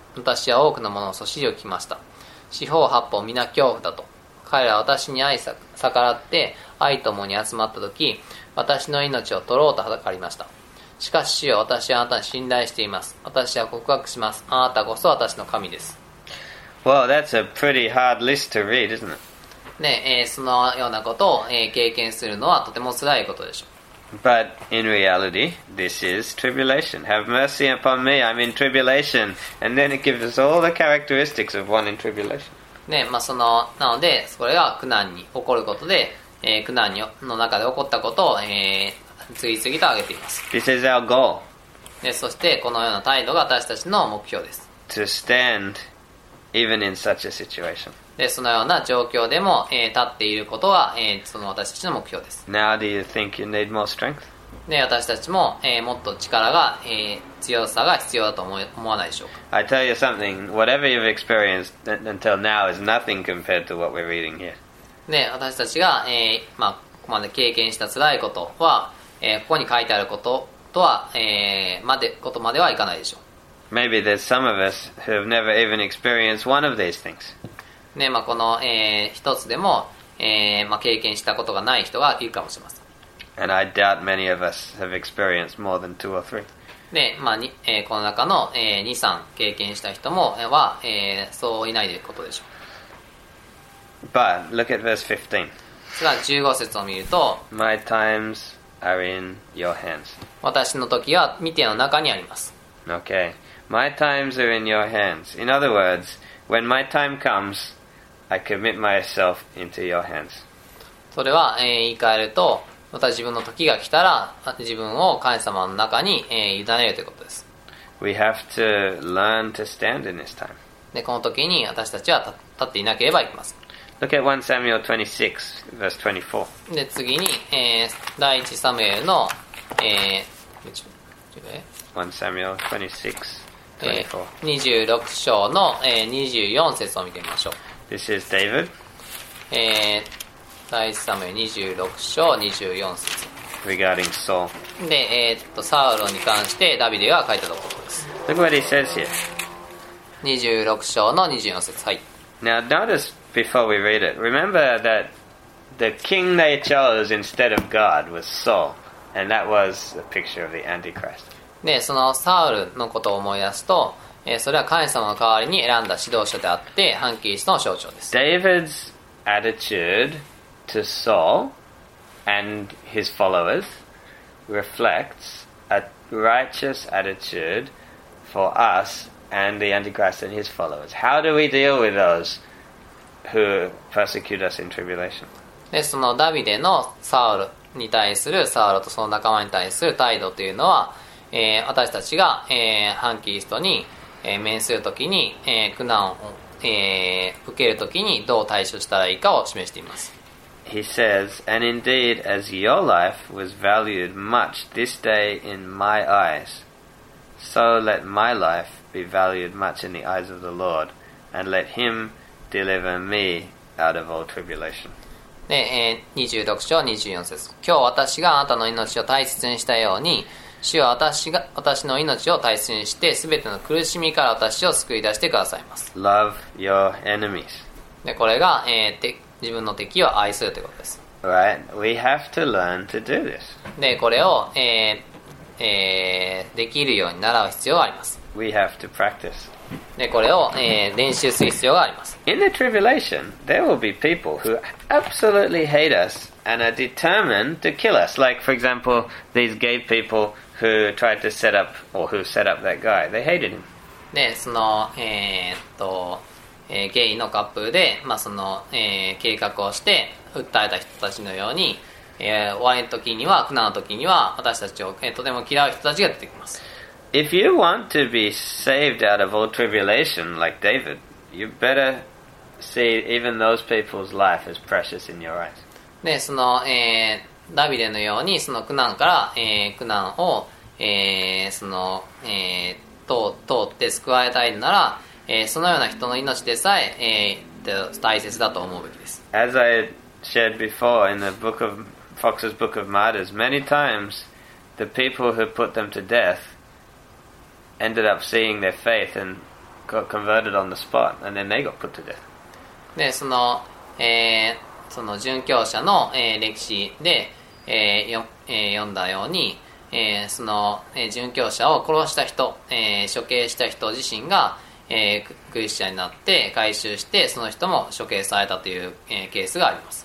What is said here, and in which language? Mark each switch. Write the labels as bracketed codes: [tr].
[ja] 私は多くの者の素知りを聞きました。四方八方皆恐怖だと。彼らは私に愛さ逆らって、愛ともに集まったとき、私の命を取ろうと図りました。しかし主よ、私はあなたに信頼しています。私は告白します。あなたこそ私の神です。 [en] Well, that's a pretty hard list to read, isn't it? [ja] ね、そのようなことを、経験するのはとても辛いことでしょう。 [en] But in reality, this is tribulation. Have mercy upon me, I'm in tribulation. And then it gives us all the characteristics of one in tribulation. [ja] ね、まあ、その、なので、それが苦難に起こることで、苦難の中で起こったことを、次々と挙げています。 [en] This is our goal. [ja] で、そして、このような態度が私たちの目標です。 [en] To stand even in such a situation. [ja] で、そのような状況でも、立っていることは、その私たちの目標です。 [en] Now do you think you need more strength? [ja] で、私たちも、もっと力が、強さが必要だと 思わないでしょうか。 [en] I tell you something, whatever you've experienced until now is nothing compared to what we're reading here. [ja] で、私たちが、まあ、ここまで経験した辛いことは、ここに書いてあることとは、ことまではいかないでしょう。 [en] Maybe there's some of us who have never even experienced one of these things. [ja] ね、まあ、この、一つでも、まあ、経験したことがない人がいるかもしれません。 [en] And I doubt many of us have experienced more than two or three. [ja] で、まあ、この中の、2、3経験した人も、は、そういないことでしょう。 [en] But look at verse 15. [ja] じゃあ15節を見ると、 [en] My times are in your hands. [ja] 私の時は御手の中にあります。 [en] Okay. My times are in your hands. In other words, when my time comes, I commit myself into your hands. [ja] それは、言い換えると、また自分の時が来たら、自分を神様の中に、委ねるということです。 [en] We have to learn to stand in this time. [ja] で、この時に私たちは立っていなければいけません。 [en] Look at 1 Samuel 26, verse 24. [ja] で、次に、第1サムエルの、 [en] 1 Samuel 26, 24. [ja] 26章の、24節を見てみましょう。 [en] This is David. [ja] 第1サムエル26章24節。 [en] Regarding Saul. [ja] で、サウロに関してダビデが書いたところです。 [en] Look what he says here. [ja] 26章の24節。はい。 [en] Now notice before we read it. Remember that the king they chose instead of God was Saul. And that was a picture of the Antichrist. [ja] で、そのサウルのことを思い出すと、それは神様の代わりに選んだ指導者であって、ハンキリストの象徴です。 [en] David's attitude to Saul and his followers reflects a righteous attitude for us and the Antichrist and his followers. How do we deal with those who persecute us in tribulation? [ja] で、そのダビデのサウルに対する、サウルとその仲間に対する態度というのは、私たちが、反キリストに、面するときに、苦難を、受けるときにどう対処したらいいかを示しています。 [en] He says, And indeed as your life was valued much this day in my eyes, so let my life be valued much in the eyes of the Lord, and let him deliver me out of all tribulation. [ja] で、26章24節。今日私があなたの命を大切にしたように、主は私の命を大切にして、すべての苦しみから私を救い出してくださいます。 [en] Love your enemies. [ja] で、これが、自分の敵を愛するということです。 [en] Right. We have to learn to do this. [ja] で、これを、できるように習う必要があります。 [en] We have to practice. [ja] で、これを、練習する必要があります。 [en] In the tribulation, there will be people who absolutely hate us. And are determined to kill us. Like, for example, these gay people who tried to set up, or who set up that guy. They hated him. [ja] で、その、ゲイのカップで、まあ、その、計画をして、訴えた人たちのように、終わりの時には、苦難の時には、私たちを、とても嫌う人たちが出てきます。 [en] If you want to be saved out of all tribulation, like David, you better see even those people's life as precious in your eyes. [ja] で、その、ダビデのようにその苦難から、苦難を、その、通って救われたいなら、そのような人の命でさえ、大切だと思うべきです。 [en] As I shared before in the book of Fox's Book of Martyrs, many times the people who put them to death ended up seeing their faith and got converted on the spot, and then they got put to death. [ja] で、そのその殉教者の、歴史で、読んだように、その、殉教者を殺した人、処刑した人自身が、クリスチャンになって改宗してその人も処刑されたという、ケースがあります。